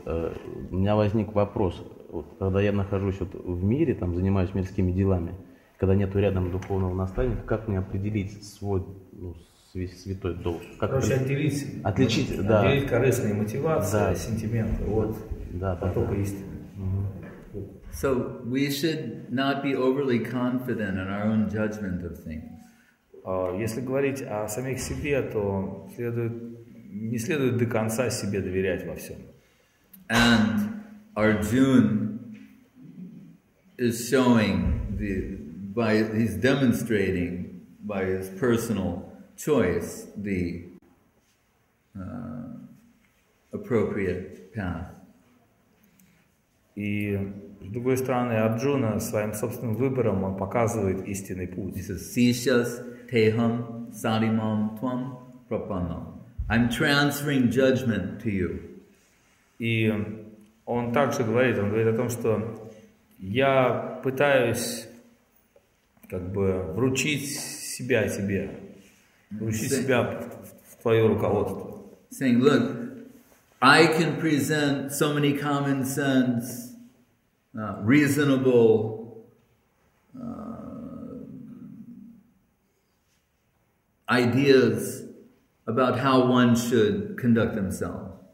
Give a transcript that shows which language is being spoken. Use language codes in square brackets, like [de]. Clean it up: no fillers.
[ru] У меня возник вопрос. Вот, когда я нахожусь вот в мире, там, занимаюсь мирскими делами, когда нету рядом духовного наставника, как мне определить свой, ну, святой долг? Как короче, отличить, да. Отделить корыстные мотивации, да. Сентименты от потока истины. [en] So we should not be overly confident in our own judgment of things. [ru] Если говорить о самих себе, то не следует до конца себе доверять во всем. [en] And Arjuna is showing he's demonstrating by his personal choice the appropriate path. [ru] И с другой стороны, Арджуна своим собственным выбором он показывает истинный путь. [sa] Сишас техам садимам твам пропаннам. [en] I'm transferring judgment to you. [ru] И он также говорит, он говорит о том, что я пытаюсь как бы вручить себя тебе, вручить себя в твое руководство. [en] Saying, look, I can present so many common sense, reasonable ideas about how one should conduct themselves.